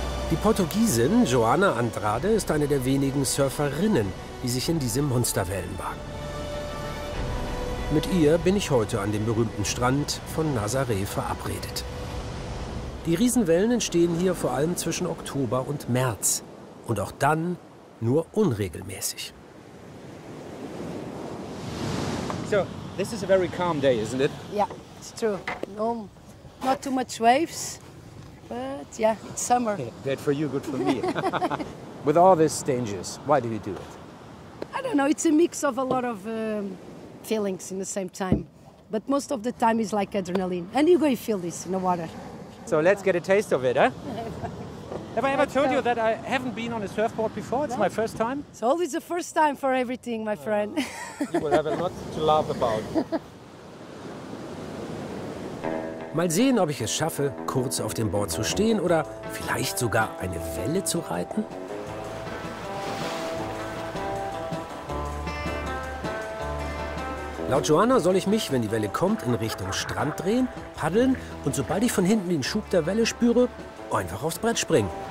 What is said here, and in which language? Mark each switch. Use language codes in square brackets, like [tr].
[de] Die Portugiesin Joana Andrade ist eine der wenigen Surferinnen, die sich in diese Monsterwellen wagen. Mit ihr bin ich heute an dem berühmten Strand von Nazaré verabredet. Die Riesenwellen entstehen hier vor allem zwischen Oktober und März. Und auch dann nur unregelmäßig. [en] So, this is a very calm day, isn't it? Yeah, it's true. No, not too much waves, but yeah, it's summer. Yeah, bad for you, good for me. With all these dangers, why do you do it? I don't know, it's a mix of a lot of feelings in the same time. But most of the time it's like adrenaline. And you're going to feel this in the water. So let's get a taste of it, huh? Have I ever told you that I haven't been on a surfboard before? It's my first time. It's always the first time for everything, my friend. You will have a lot to laugh about. [de] Mal sehen, ob ich es schaffe, kurz auf dem Board zu stehen oder vielleicht sogar eine Welle zu reiten. Laut Joana soll ich mich, wenn die Welle kommt, in Richtung Strand drehen, paddeln und sobald ich von hinten den Schub der Welle spüre, einfach aufs Brett springen.